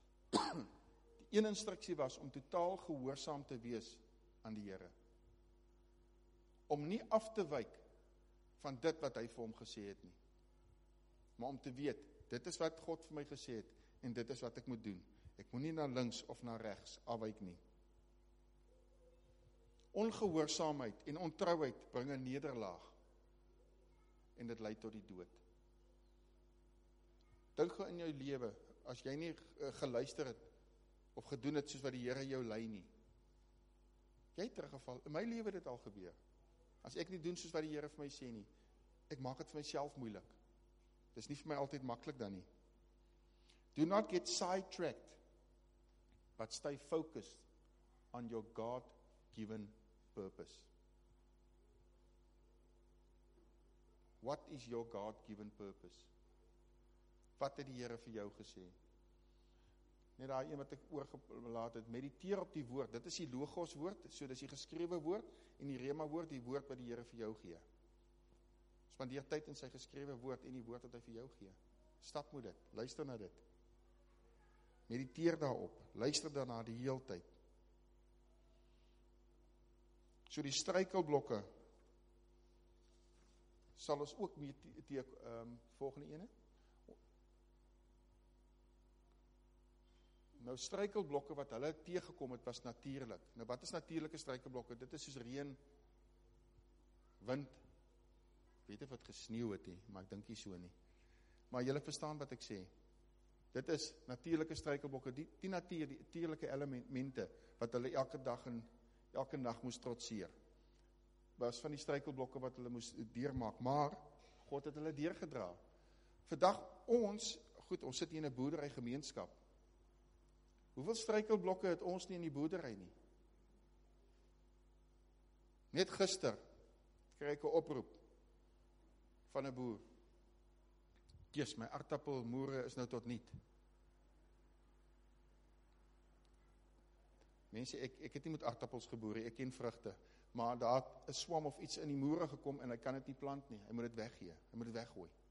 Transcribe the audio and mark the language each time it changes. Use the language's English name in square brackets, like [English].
[Afrikaans] Die een instruksie was om totaal gehoorsaam te wees aan die Here. Om nie af te wyk van dit wat hy vir hom gesê het nie. Maar om te weet, dit is wat God vir my gesê het, en dit is wat ek moet doen. Ek moet nie na links of na rechts afwyk nie. Ongehoorsaamheid en ontrouheid bring 'n nederlaag, en dit lei tot die dood. Dink gou in jou lewe, as jy nie geluister het, of gedoen het soos wat die Here jou lei nie. Jy het teruggeval, in my lewe het dit al gebeur. As ek nie doen soos wat die Here vir my sê nie, ek maak het vir myself moeilik. Dit is nie vir my altyd maklik dan nie. [English] Do not get sidetracked, but stay focused on your God-given purpose. What is your God-given purpose? [Afrikaans] Wat het die Here vir jou gesê? Net daar een wat ek oorgelaat het, mediteer op die woord, dit is die logos woord, so dit is die geskrewe woord, en die rema woord, die woord wat die Here vir jou gee. Spandeer tyd in sy geskrewe woord en die woord wat hy vir jou gee. Stap met dit, luister na dit. Mediteer daarop, luister daarna die heel tyd. So die struikelblokke, sal ons ook met die volgende ene. Nou struikelblokke wat hulle tegekom het was natuurlik. Nou wat is natuurlike struikelblokke? Dit is soos reën, wind, weet ek wat gesneeuw het nie, maar ek dink nie so nie. Maar julle verstaan wat ek sê. Dit is natuurlike struikelblokke, die natuurlike elemente wat hulle elke dag en elke nag moes trotseer. Was van die struikelblokke wat hulle moes deurmaak, maar God het hulle deurgedra. Vandag ons, goed, ons sit hier in 'n boerdery gemeenskap. Hoeveel struikelblokke het ons nie in die boerdery nie? Net gister kry ek 'n oproep van 'n boer. Jesus, my aardappelmoere is nou tot niet. Mense, ek het nie met aardappels geboer, ek ken vrugte, maar daar 'n swam of iets in die moere gekom en hy kan dit nie plant nie, hy moet dit weggee, hy moet dit weggooi.